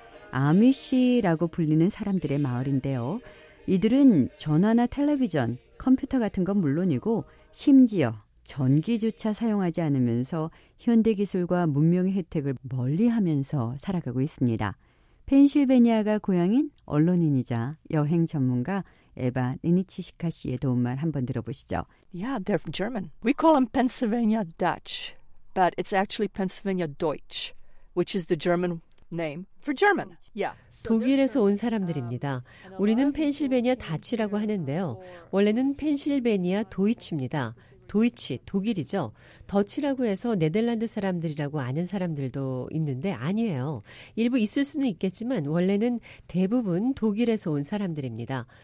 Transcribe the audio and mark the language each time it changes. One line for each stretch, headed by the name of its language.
Korean: 아미시라고 불리는 사람들의 마을인데요. 이들은 전화나 텔레비전, 컴퓨터 같은 건 물론이고 심지어 전기조차 사용하지 않으면서 현대기술과 문명의 혜택을 멀리하면서 살아가고 있습니다. 펜실베니아가 고향인 언론인이자 여행 전문가 에바 니니치시카 씨의 도움말 한번 들어보시죠.
English: Yeah, they're German. We call them Pennsylvania Dutch, but it's actually Pennsylvania Deutsch, which is the German name for German. Yeah.
Korean: 독일에서 온 사람들입니다. 우리는 펜실베니아 다치라고 하는데요. 원래는 펜실베니아 도이치입니다. 도이치, 독일이죠. 더치라고 해서 네덜란드 사람들이라고 아는 사람들도 있는데 아니에요. 일부 있을 수는 있겠지만 원래는 대부분 독일에서 온 사람들입니다.